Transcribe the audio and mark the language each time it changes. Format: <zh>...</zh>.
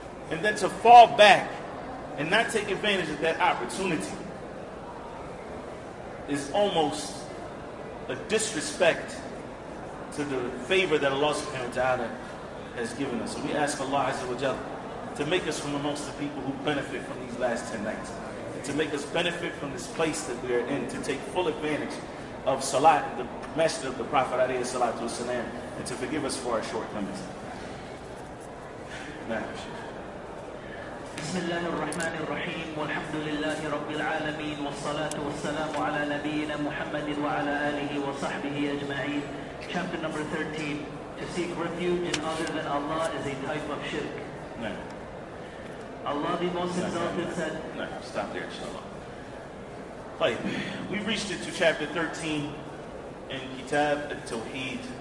<en>And then to fall back and not take advantage of that opportunity is almost a disrespect to the favor that Allah subhanahu wa ta'ala has given us. So we ask Allah azza wa jalla to make us from amongst the people who benefit from these last 10 nights, and to make us benefit from this place that we are in, to take full advantage of Salat, the message of the Prophet alayhi salatu wasalam, and to forgive us for our shortcomings.</en> <ar>بسم الله الرحمن الرحيم والحمد لله رب العالمين والصلاة والسلام على نبينا محمد وعلى آله وصحبه أجمعين.</ar> <en>Chapter number 13. To seek refuge in other than Allah is a type of shirk. Allah the Most Exalted said. Stop there, inshallah. طيب. We've reached it to chapter 13 in Kitab al-Tawheed.</en>